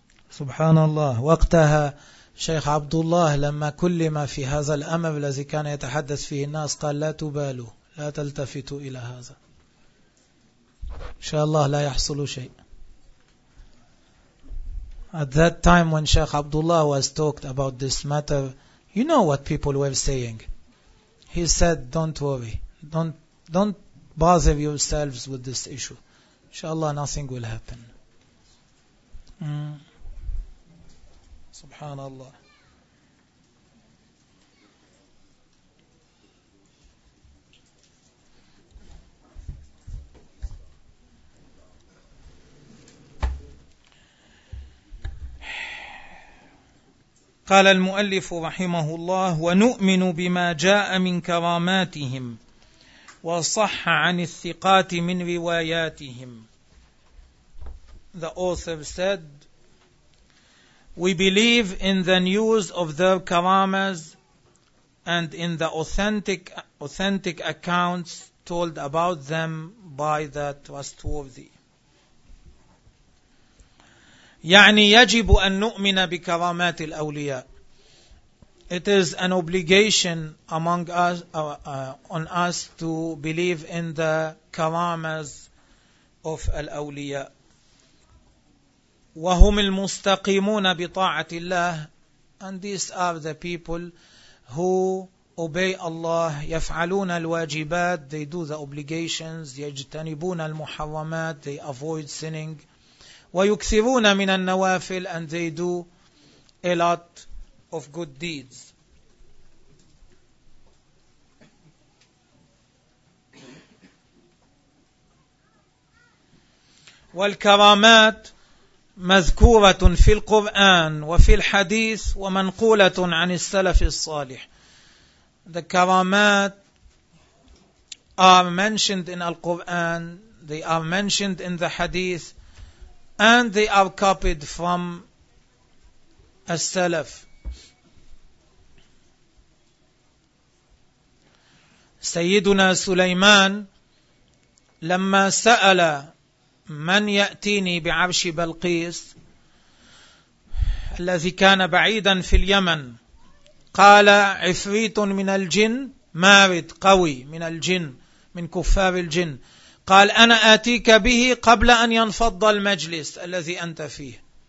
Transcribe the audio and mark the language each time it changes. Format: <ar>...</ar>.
<ar>سبحان الله. وقتها شيخ عبد الله لما كلم في هذا الأمر الذي كان يتحدث فيه الناس قال لا تبالوا، لا تلتفتوا إلى هذا، إن شاء الله لا يحصل شيء.</ar> <en>At that time when Sheikh Abdullah was talked about this matter, you know what people were saying. He said, don't worry, don't bother yourselves with this issue.</en> <ar>إن شاء الله</ar> <en>nothing will happen.</en> <ar>سبحان الله. قال المؤلف رحمه الله: ونؤمن بما جاء من كراماتهم وصح عن الثقات من رواياتهم.</ar> <en>The author said, we believe in the news of their karamas and in the authentic accounts told about them by the trustworthy.</en> <ar>يعني يجب أن نؤمن بكرامات الأولياء.</ar> <en>It is an obligation among us, on us to believe in the karamas of الأولياء.</en> <ar>وهم المستقيمون بطاعة الله.</ar> <en>And these are the people who obey Allah,</en> <ar>يفعلون الواجبات,</ar> <en>they do the obligations,</en> <ar>يجتنبون المحرمات,</ar> <en>they avoid sinning.</en> <ar>ويكثرون من النوافل,</ar> <en>and they do a lot of good deeds.</en> <ar>والكرامات مذكورة في القرآن وفي الحديث ومنقولة عن السلف الصالح.</ar> <en>The karamat are mentioned in Al-Quran, they are mentioned in the hadith, and they are copied from As-Salaf.</en> <ar>سيدنا سليمان لما سأل من يأتيني بعرش بلقيس الذي كان بعيدا في اليمن, قال عفريت من الجن مارد قوي من الجن من كفار الجن, قال أنا آتيك به قبل أن ينفض المجلس الذي أنت فيه.</ar>